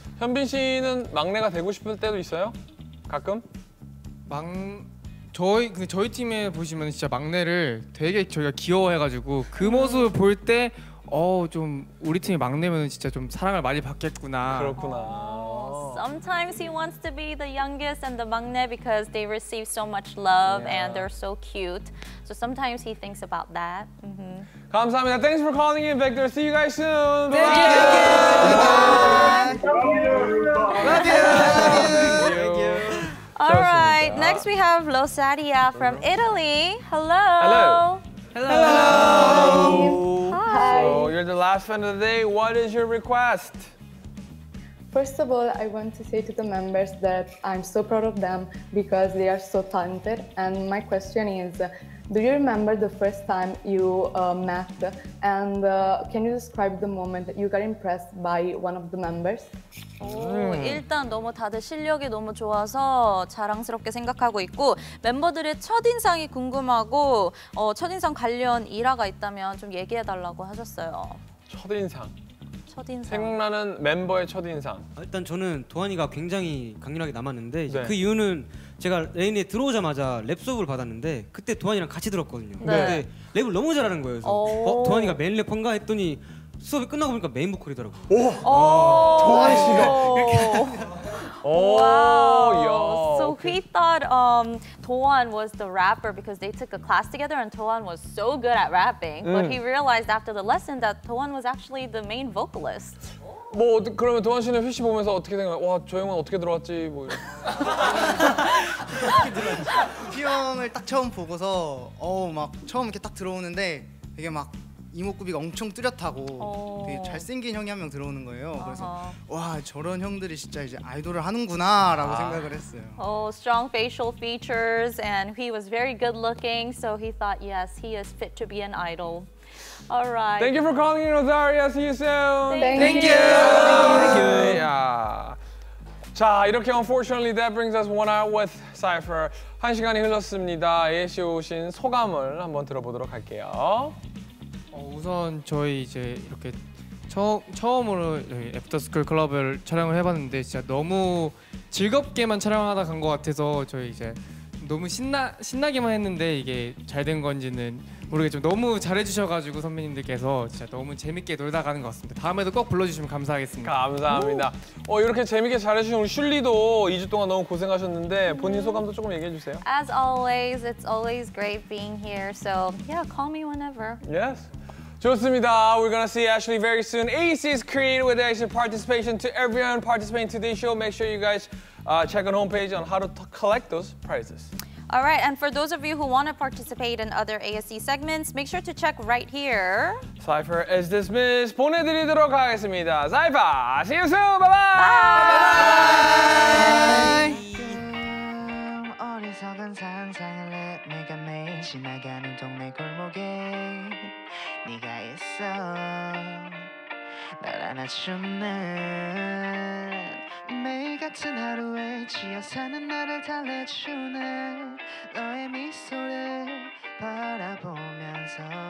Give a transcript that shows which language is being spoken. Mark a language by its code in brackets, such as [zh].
[ko] 현빈 씨는 막내가 되고 싶을 때도 있어요? 가끔? 저희 팀에 보시면 진짜 막내를 되게 저희가 귀여워해가지고 그 모습을 볼 때 좀 우리 팀이 막내면 진짜 좀 사랑을 많이 받겠구나. 그렇구나. [en] Sometimes he wants to be the youngest and the 막내 because they receive so much love and they're so cute. So sometimes he thinks about that. Mm-hmm. [ko] 감사합니다. [en] Thanks for calling in, Victor. See you guys soon. Bye. Thank you. Bye. Love you. Thank you. All right. Next we have Losadia from Italy. Hello. Hello. Hello. Hello. Hi. So you're the last fan of the day. What is your request? First of all, I want to say to the members that I'm so proud of them because they are so talented. And my question is, do you remember the first time you met? And can you describe the moment that you got impressed by one of the members? [ko] 일단 너무 다들 실력이 너무 좋아서 자랑스럽게 생각하고 있고 멤버들의 첫인상이 궁금하고 첫인상 관련 일화가 있다면 좀 얘기해달라고 하셨어요. 첫인상? 첫인상. 생각나는 멤버의 첫인상. 일단 저는 도환이가 굉장히 강렬하게 남았는데 네. 그 이유는 제가 레인에 들어오자마자 랩 수업을 받았는데 그때 도환이랑 같이 들었거든요. 네. 근데 랩을 너무 잘하는 거예요. 그래서 도환이가 메인 랩한가 했더니 수업이 끝나고 보니까 메인 보컬이더라고요. 오! 도환이 씨가 이렇게 오! [en] So he thought Doan was the rapper because they took a class together and Doan was so good at rapping. But he realized after the lesson that Doan was actually the main vocalist. [ko] 뭐 그러면 도환 씨는 회식 보면서 어떻게 생각해? 와, 저 형은 어떻게 들어왔지? 뭐 어떻게 들어왔지? 형을 딱 처음 보고서 막 처음 이렇게 딱 들어오는데 이게 막 이목구비가 엄청 뚜렷하고 되게 잘생긴 형이 한 명 들어오는 거예요. 그래서 와, 저런 형들이 진짜 이제 아이돌을 하는구나 라고 생각을 했어요. [en] Strong facial features and he was very good looking. So he thought, yes, he is fit to be an idol. All right. Thank you for calling in, Rosaria. See you soon. Thank you. Yeah. [ko] 자, 이렇게 [en] unfortunately that brings us one hour with Cypher. [ko] 한 시간이 흘렀습니다. 예시 오신 소감을 한번 들어보도록 할게요. 우선 저희 이제 이렇게 처음으로 저희 애프터스쿨 클럽을 촬영을 해봤는데 진짜 너무 즐겁게만 촬영하다 간 것 같아서 저희 이제 너무 신나기만 했는데 이게 잘 된 건지는 모르겠지만 너무 잘해주셔가지고 선배님들께서 진짜 너무 재밌게 놀다 가는 것 같습니다. 다음에도 꼭 불러주시면 감사하겠습니다. 감사합니다. 이렇게 재밌게 잘해주신 우리 슐리도 2주 동안 너무 고생하셨는데 본인 소감도 조금 얘기해주세요. [en] As always, it's always great being here. So yeah, call me whenever. Yes. [ko] 좋습니다. [en] We're gonna see Ashley very soon. AC's Creed with Ashley participation to everyone participating in today's show. Make sure you guys check on homepage on how to collect those prizes. All right, and for those of you who want to participate in other ASC segments, make sure to check right here. Cypher is dismissed. [ko] 보내드리도록 하겠습니다. [en] Cypher, see you soon. Bye-bye. Bye-bye. [ko] 네가 있어 날 안아주는 매일 같은 하루에 지어 사는 나를 달래주는 너의 미소를 바라보면서